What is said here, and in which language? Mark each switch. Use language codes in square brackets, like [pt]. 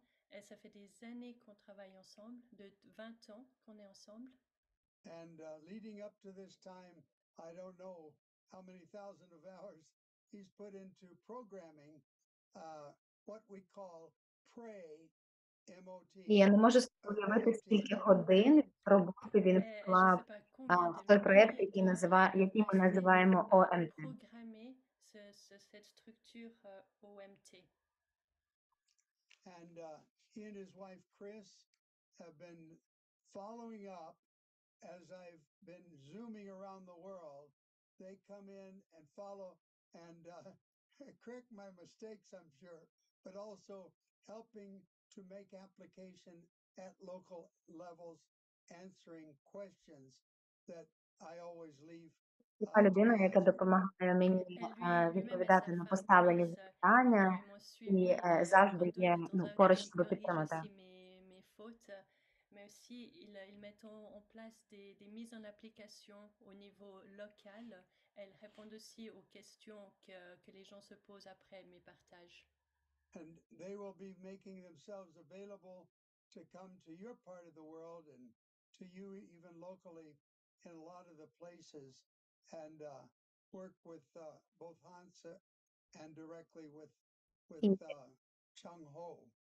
[fr] Et ça fait des années qu'on travaille ensemble, de 20 ans qu'on est ensemble. [en] And leading up to this time, I don't know how many thousands of hours he's put into programming what we call pray MOT. [uk] Я не можу уявити, скільки годин роботи він вклав в той проект, який який ми називаємо OMT. [fr] Programmer cette structure OMT. [en] And he and his wife Chris have been following up as I've been zooming around the world. They come in and follow and correct my mistakes, I'm sure, but also helping to make application at local levels, answering questions that I always leave. [uk] Така людина, яка допомагає мені відповідати на поставлені питання і завжди є поруч, щоб підтримати. [fr] Il met en place des mises en application au niveau local. Elle répond aussi aux questions que les gens se posent après mes partages. [en] And they will be making themselves available to come to your part of the world and to you even locally in a lot of the places. And work with both Hans and directly with Chung Ho.